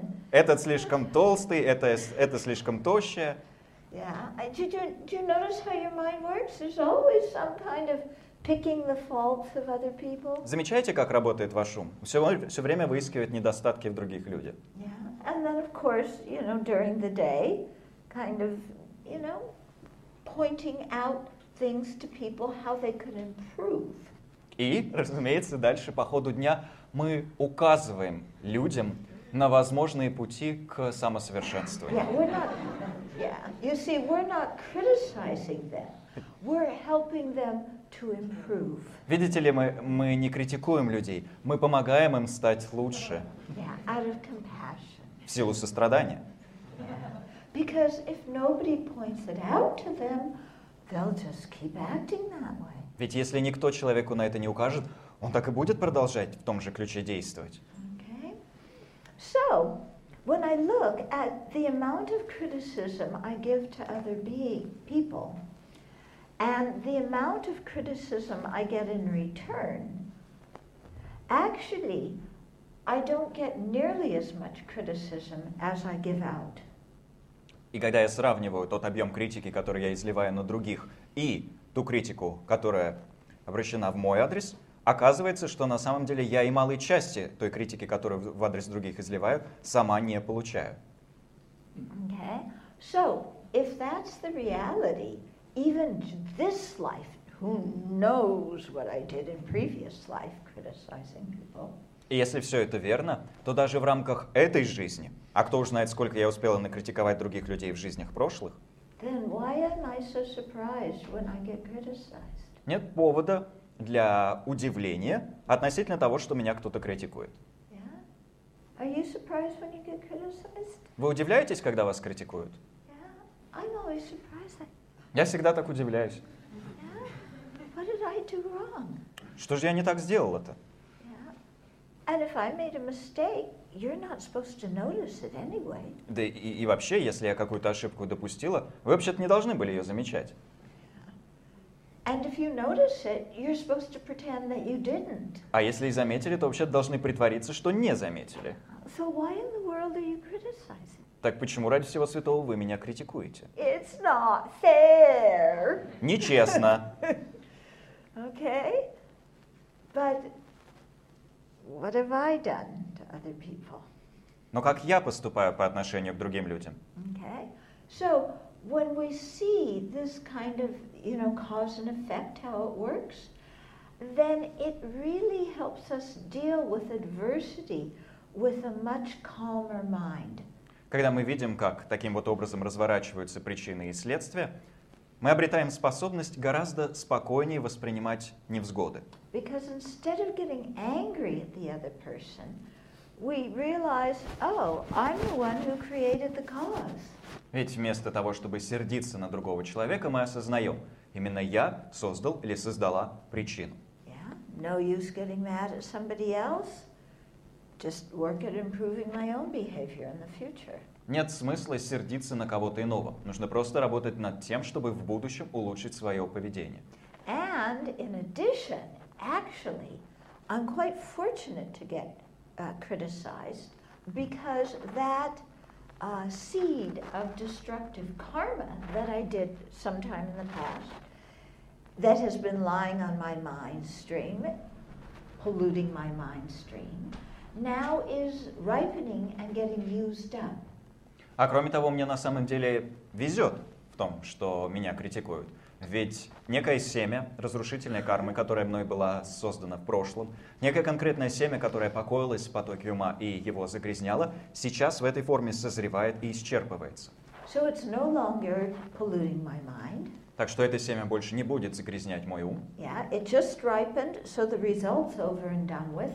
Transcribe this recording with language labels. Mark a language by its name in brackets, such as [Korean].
[Russian] Этот слишком толстый, это слишком тощее. [English] Yeah. Do you notice how your mind works? There's always some kind of picking the faults of other people. [Russian] Замечаете, как работает ваш ум? Все время выискивает недостатки в других людях. [English] Yeah. And then, of course, you know, during the day, kind of, you know, pointing out things to people how they could improve. [Russian] И, разумеется, дальше по ходу дня мы указываем людям на возможные пути к самосовершенствованию. [English] Yeah, we're not, yeah. You see, we're not criticizing them. We're helping them to improve. [Russian] Видите ли, мы не критикуем людей, мы помогаем им стать лучше. [English] Yeah, out of compassion. [Russian] В силу сострадания. [English] Yeah. Because if nobody points it out to them, they'll just keep acting that way. [Russian] Ведь если никто человеку на это не укажет, он так и будет продолжать в том же ключе действовать. [English] So, when I look at the amount of criticism I give to other people, and the amount of criticism I get in return, actually, I don't get nearly as much criticism as I give out. [Russian] И когда я сравниваю тот объем критики, который я изливаю на других, и ту критику, которая обращена в мой адрес, оказывается, что на самом деле я и малой части той критики, которую в адрес других изливаю, сама не получаю. [English] Okay. So, if that's the reality, even this life, who knows what I did in previous life criticizing people? [Russian] И если все это верно, то даже в рамках этой жизни, а кто уж знает, сколько я успела накритиковать других людей в жизнях прошлых, [English] then why am I so surprised when I get criticized? [Russian] Нет повода для удивления относительно того, что меня кто-то критикует. [English] Yeah. Are you surprised when you get criticized? [Russian] Вы удивляетесь, когда вас критикуют? [English] Yeah. I'm always surprised. [Russian] Я всегда так удивляюсь. [English] Yeah. What did I do wrong? [Russian] Что же я не так сделала-то? [English] Yeah. And if I made a mistake, you're not supposed to notice it anyway. [Russian] Да и вообще, если я какую-то ошибку допустила, вы вообще-то не должны были ее замечать. [English] And if you notice it, you're supposed to pretend that you didn't. [Russian] А если и заметили, то вообще должны притвориться, что не заметили. [English] So why in the world are you criticizing? [Russian] Так почему ради всего святого вы меня критикуете? [English] It's not fair. [Russian] Нечестно. [English] Okay. But what have I done to other people? [Russian] Но как я поступаю по отношению к другим людям? [English] Okay. So when we see this kind of, you know, cause and effect, how it works, then it really helps us deal with adversity with a much calmer mind. [Russian] Когда мы видим, как таким вот образом разворачиваются причины и следствия, мы обретаем способность гораздо спокойнее воспринимать невзгоды. [English] Because instead of getting angry at the other person, we realize, oh, I'm the one who created the cause. [Russian] Ведь вместо того, чтобы сердиться на другого человека, мы осознаем, именно я создал или создала причину. [English] Yeah, no use getting mad at somebody else. Just work at improving my own behavior in the future. [Russian] Нет смысла сердиться на кого-то иного. Нужно просто работать над тем, чтобы в будущем улучшить свое поведение. [English] And in addition, actually, I'm quite fortunate to get criticized because that seed of destructive karma that I did sometime in the past that has been lying on my mind stream, polluting my mind stream, now is ripening and getting used up. [Russian] А кроме того, мне на самом деле везет в том, что меня критикуют. Ведь некое семя разрушительной кармы, которая мной была создана в прошлом, некое конкретное семя, которое покоилось в потоке ума и его загрязняло, сейчас в этой форме созревает и исчерпывается. [English] So it's no longer polluting my mind. [Russian] Так что это семя больше не будет загрязнять мой ум. [English] Yeah, it just ripened, so the result's over and done with.